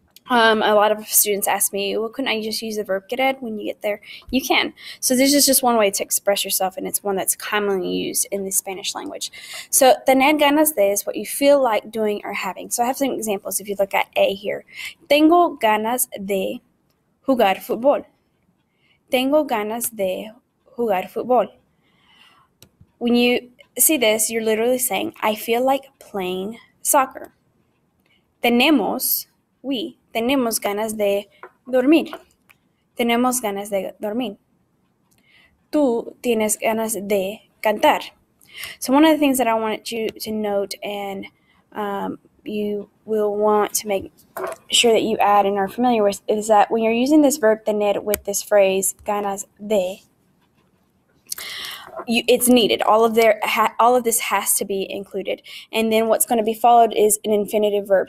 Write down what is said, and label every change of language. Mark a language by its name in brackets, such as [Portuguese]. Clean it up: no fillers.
[English] A lot of students ask me, well, couldn't I just use the verb querer when you get there? You can. So this is just one way to express yourself, and it's one that's commonly used in the Spanish language. So [Spanish] tener ganas de [English] is what you feel like doing or having. So I have some examples if you look at A here. [Spanish] Tengo ganas de jugar fútbol. Tengo ganas de jugar fútbol. [English] When you see this, you're literally saying, I feel like playing soccer. [Spanish] Tenemos ganas de dormir. Tenemos ganas de dormir. Tú tienes ganas de cantar. [English] So one of the things that I want you to note, and you will want to make sure that you add and are familiar with, is that when you're using this verb tener with this phrase ganas de, it's needed. All of this has to be included. And then what's going to be followed is an infinitive verb.